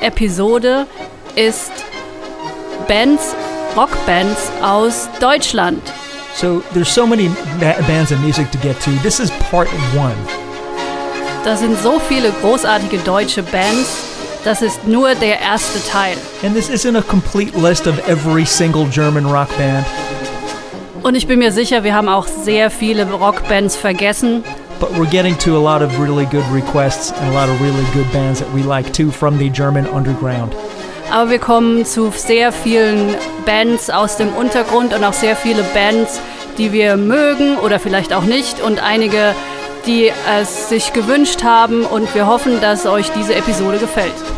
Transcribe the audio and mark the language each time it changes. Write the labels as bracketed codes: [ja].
[de] Episode ist Bands, Rockbands aus Deutschland. [en] So there's so many bands and music to get to. This is part one. [de] Da sind so viele großartige deutsche Bands. Das ist nur der erste Teil. [en] And this isn't a complete list of every single German rock band. [de] Und ich bin mir sicher, wir haben auch sehr viele Rockbands vergessen. [en] But we're getting to a lot of really good requests and a lot of really good bands that we like too from the German underground. [de] Aber wir kommen zu sehr vielen Bands aus dem Untergrund und auch sehr viele Bands, die wir mögen oder vielleicht auch nicht und einige, die es sich gewünscht haben und wir hoffen, dass euch diese Episode gefällt.